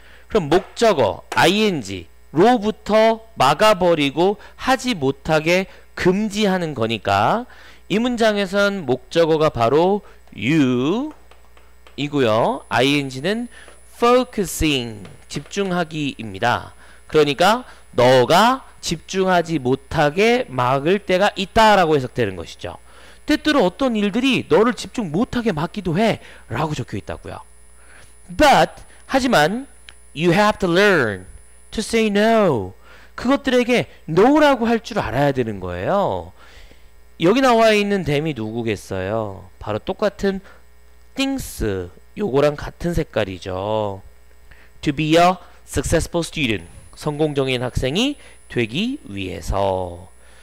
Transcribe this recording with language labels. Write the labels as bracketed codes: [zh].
[ko] 그럼 목적어 ing 로부터 막아버리고 하지 못하게 금지하는 거니까 이 문장에선 목적어가 바로 you 이고요 ing는 focusing 집중하기 입니다. 그러니까 너가 집중하지 못하게 막을 때가 있다 라고 해석되는 것이죠. 때때로 어떤 일들이 너를 집중 못하게 막기도 해 라고 적혀 있다고요. [en] But [ko] 하지만 [en] you have to learn to say no. [ko] 그것들에게 no 라고 할 줄 알아야 되는 거예요. 여기 나와 있는 댐이 누구겠어요? 바로 똑같은 things 요거랑 같은 색깔이죠. [en] To be a successful student. [ko] 성공적인 학생이 되기 위해서.